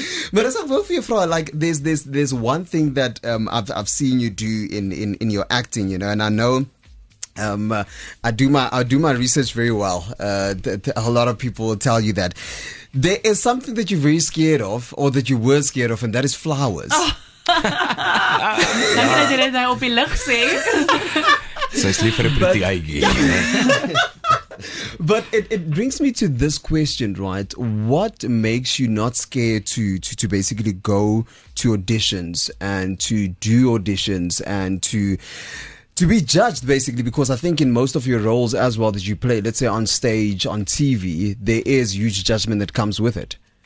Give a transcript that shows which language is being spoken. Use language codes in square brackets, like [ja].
[en] Maar as ek wil vir jou vra, like there's one thing that I've seen you do in your acting, you know, and I know I do my research very well. A lot of people will tell you that there is something that you're very scared of, or that you were scared of, and that is flowers. [af] Dan kan jy dit nou op die lig sê. Sy's liever op die eie. [en] But it brings me to this question, right? What makes you not scared to basically go to auditions and to do auditions and to be judged, basically, because I think in most of your roles as well that you play, let's say on stage, on TV, there is huge judgment that comes with it.